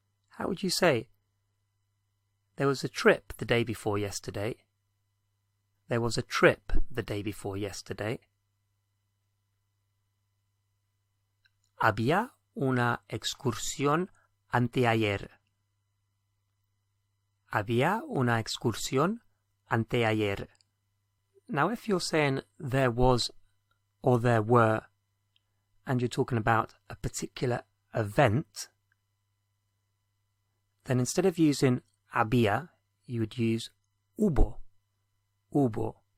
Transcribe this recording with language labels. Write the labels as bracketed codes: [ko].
[en] How would you say, there was a trip the day before yesterday? There was a trip the day before yesterday. [es] Había una excursión anteayer. Había una excursión anteayer. [en] Now, if you're saying there was or there were, and you're talking about a particular event, then instead of using había, you would use hubo. Hubo.